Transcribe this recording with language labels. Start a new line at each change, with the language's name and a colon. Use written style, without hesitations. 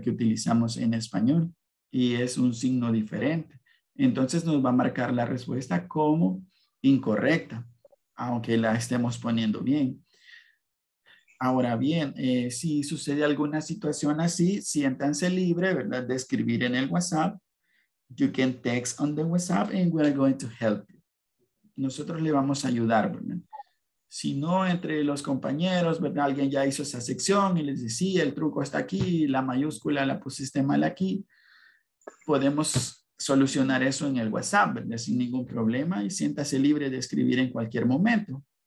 Spanish: Que utilizamos en español y es un signo diferente. Entonces nos va a marcar la respuesta como incorrecta, aunque la estemos poniendo bien. Ahora bien, si sucede alguna situación así, siéntanse libre, ¿verdad? De escribir en el WhatsApp.
English: You can text on the WhatsApp and we're going to help you.
Spanish: Nosotros le vamos a ayudar, ¿verdad? Si no, entre los compañeros, ¿verdad? Alguien ya hizo esa sección y les decía, sí, el truco está aquí, la mayúscula la pusiste mal aquí. Podemos solucionar eso en el WhatsApp, ¿verdad? Sin ningún problema. Y siéntase libre de escribir en cualquier momento.